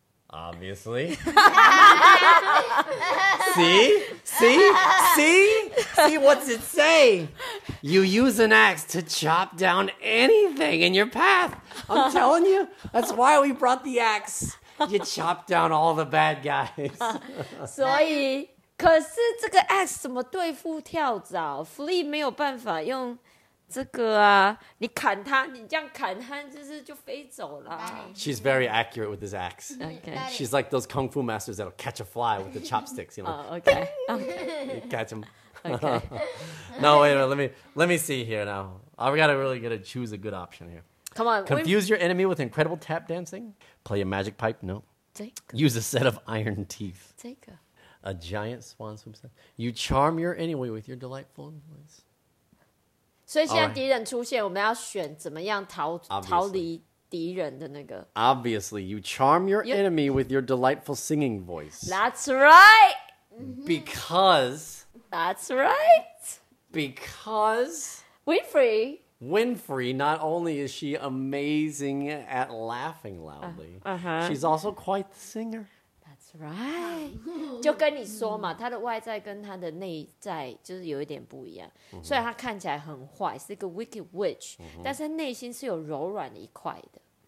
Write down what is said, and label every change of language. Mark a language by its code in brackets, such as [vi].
[en] Obviously. See? See? See? See what's it say? You use an axe to chop down anything in your path. I'm telling you, that's why we brought the axe. You chop down all the bad guys. [zh] 所以，可是这个 axe 怎么对付跳蚤？福利没有办法用这个啊！你砍他，你这样砍他，就飞走了。 [en] She's very accurate with this axe. Okay. She's like those kung fu masters that'll catch a fly with the chopsticks. You know? Okay. Catch him. Okay. No, wait a minute. Let me see here now. We gotta really gotta choose a good option here. Come on. Confuse your enemy with incredible tap dancing. Play a magic pipe. No. Take. Use a set of iron teeth. Take. A giant swan swim set. You charm your enemy with your delightful voice. [zh] 所以现在敌人出现，我们要选怎么样逃离敌人的那个。 [en] Obviously, you charm your enemy with your delightful singing voice. That's right. Because. That's right. Because. Winfrey, not only is she amazing at laughing loudly, she's also quite the singer. That's right. [zh] 就跟你说嘛，她的外在跟她的内在就是有一点不一样。 Mm-hmm. 虽然她看起来很坏，是一个 [en] wicked witch,、 [zh] mm-hmm. 但是内心是有柔软的一块的。